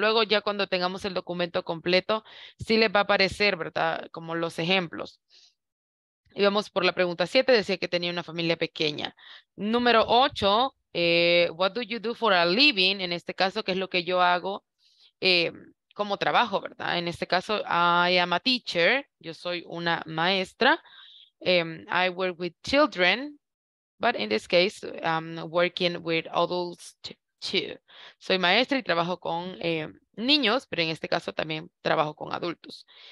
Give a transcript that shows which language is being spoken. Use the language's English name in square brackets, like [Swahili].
[Spanish] Luego ya cuando tengamos el documento completo, sí les va a aparecer, ¿verdad? Como los ejemplos. Íbamos por la pregunta 7, decía que tenía una familia pequeña. Número 8. [English] What do you do for a living? [Spanish] En este caso, ¿qué es lo que yo hago como trabajo, verdad? En este caso, [English] I am a teacher. [Spanish] Yo soy una maestra. [English] I work with children, but in this case, I'm working with adults too. [Spanish] Soy maestra y trabajo con niños, pero en este caso también trabajo con adultos.